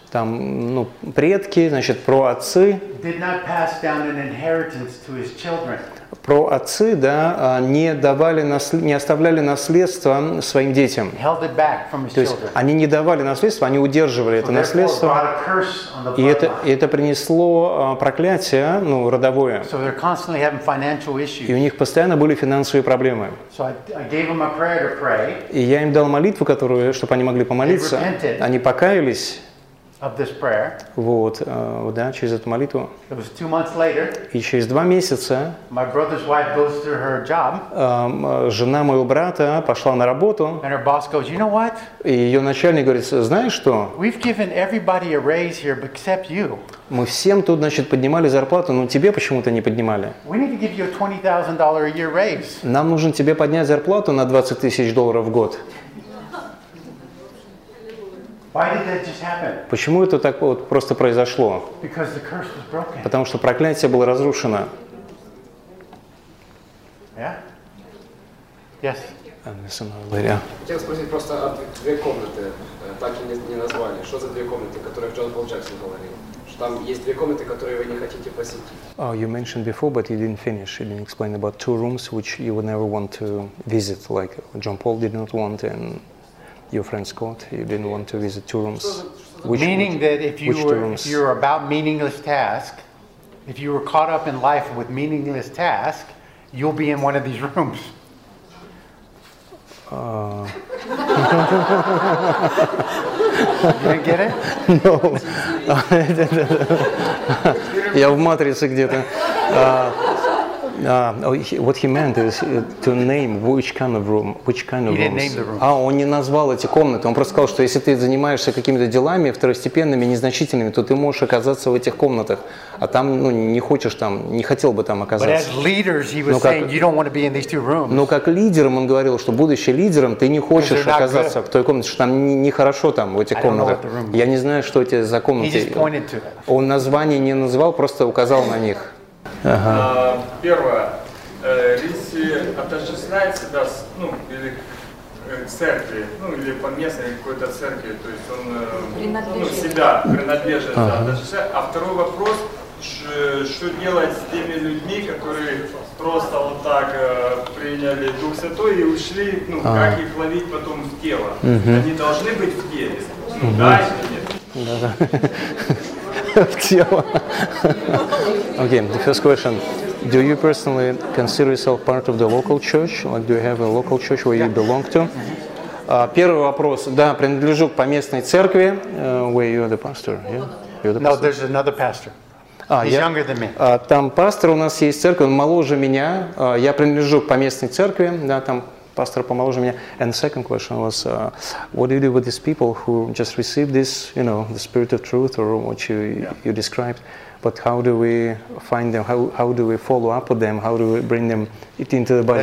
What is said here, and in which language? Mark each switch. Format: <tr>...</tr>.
<ru>там, ну, предки, значит, про отцы.</ru> <en>Did not pass down an inheritance to his children.</en> <ru>Про отцы, да, не давали, не оставляли наследство своим детям.</ru> <en>Held it back from his</en> <ru>То есть</ru> <en>children.</en> <ru>Они не давали наследство, они удерживали</ru> <en>so</en> <ru>это наследство. И это принесло проклятие, ну, родовое.</ru> <en>So they're constantly having financial issues.</en> <ru>И у них постоянно были финансовые проблемы.</ru> <en>So I gave them a prayer to pray.</en> <ru>И я им дал молитву, которую, чтобы они могли помолиться.</ru> <en>They repented.</en> <ru>Они покаялись.</ru> <en>Of this prayer.</en> <ru>Вот, да, через эту молитву.</ru> <en>It was 2 months later.</en> <ru>И через 2 месяца.</ru> <en>My brother's wife goes to her job.</en> <ru>Жена моего брата пошла на работу.</ru> <en>And her boss goes, you know what?</en> <ru>И ее начальник говорит, знаешь что?</ru> <en>We've given everybody a raise here, but except you.</en> <ru>Мы всем тут, значит, поднимали зарплату, но тебе почему-то не поднимали.</ru> <en>We need to give you a $20,000 a year raise.</en> <ru>Нам нужно тебе поднять зарплату на $20,000 в год.</ru> <en>Why did that just happen?</en> <ru>Почему это так вот просто произошло?</ru> <en>Because the curse was broken.</en> <ru>Потому что проклятие было разрушено.</ru> <en>Yeah? Yes.</en> <ru>Хотел спросить просто о 2 комнаты, так и не назвали. Что за 2 комнаты, о которых Джон Пол Джексон говорил? Что там есть 2 комнаты, которые вы не хотите посетить.</ru> <en>Oh, you mentioned before, but you didn't finish. You didn't explain about 2 rooms which you would never want to visit, like John Paul did not want and your friend Scott, you didn't want to visit 2 rooms. If you were about meaningless task, if you were caught up in life with meaningless task, you'll be in one of these rooms. You didn't get it? No.</en> <ru>Я в матрице где-то.</ru> <en>What he meant is to name which kind of room, which kind of rooms.</en> <ru>А, он не назвал эти комнаты. Он просто сказал, что если ты занимаешься какими-то делами второстепенными, незначительными, то ты можешь оказаться в этих комнатах. А там, ну, не хочешь там, не хотел бы там оказаться.</ru> <en>But as leaders, he was saying, you don't want to be in these 2 rooms.</en> <ru>Но как лидером он говорил, что будучи лидером, ты не хочешь оказаться в той комнате, что там нехорошо там, в этих комнатах. Я не знаю, что эти за комнаты. Он название не называл, просто указал на них. Первое, Линдси отождествляет себя с, ну, или к церкви, ну, или поместной какой-то церкви, то есть он принадлежит. Ну, себя принадлежит, отождествляет. А второй вопрос, что делать с теми людьми, которые просто вот так приняли Дух Святой и ушли, ну, как их ловить потом в тело? Они должны быть в теле, ну, да или нет? Да-да.</ru> <en>Okay, the first question. Do you personally consider yourself part of the local church? Like, do you have a local church where you belong to?</en> <ru>Первый вопрос. Да, принадлежу к поместной церкви.</ru> <en>Where you are the pastor? Yeah? You're the pastor? No, there's another pastor. He's younger than me.</en> <ru>Там пастор у нас есть церковь, он моложе меня. Я принадлежу к поместной церкви. Да, там пастор помоложе меня.</ru> <en>And the second question was, what do you do with these people who just received this, you know, the spirit of truth or what you described, but how do we find them, how do we follow up with them, how do we bring them into the body</en>